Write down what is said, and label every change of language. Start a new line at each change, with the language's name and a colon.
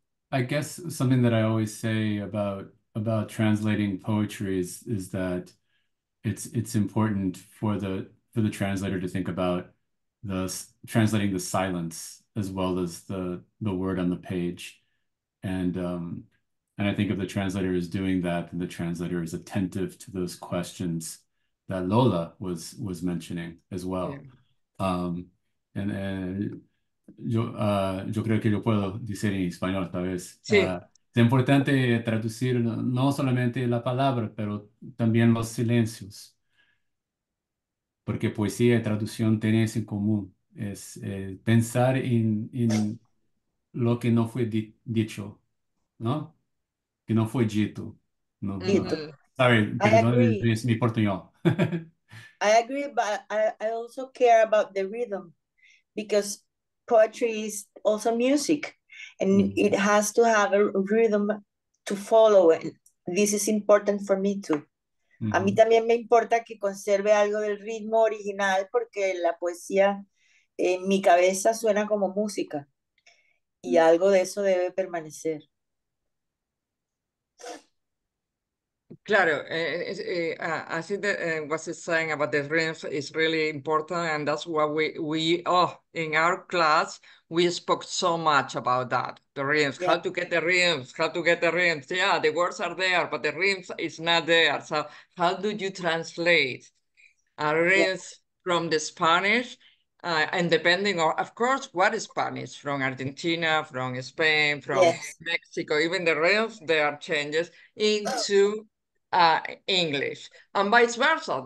English: I guess something that I always say about translating poetry is that it's important for the translator to think about the translating the silence as well as the word on the page, and I think if the translator is doing that, then the translator is attentive to those questions that Lola was mentioning as well.
Spanish: Yo creo que yo puedo decir en español tal vez. Sí. Es importante traducir no solamente la palabra, pero también los silencios. Porque poesía y traducción tienen eso en común. Es pensar en lo que no fue dicho, ¿no? Que no fue dicho. No, dito. No.
English: Sorry,
Spanish: perdón, es mi portuñol.
English: I agree, but I also care about the rhythm, because poetry is also music. And it has to have a rhythm to follow, and this is important for me too. Mm-hmm.
Spanish: A mí también me importa que conserve algo del ritmo original, porque la poesía en mi cabeza suena como música, y algo de eso debe permanecer. Claro,
English: I think that what she's saying about the rhythms is really important, and that's what we in our class, we spoke so much about that, the rhythms, yeah. how to get the rhythms, yeah, the words are there, but the rhythms is not there, so how do you translate a rhythms from the Spanish, and depending on, of course, what is Spanish, from Argentina, from Spain, from Mexico, even the rhythms, there are changes into English, and vice versa.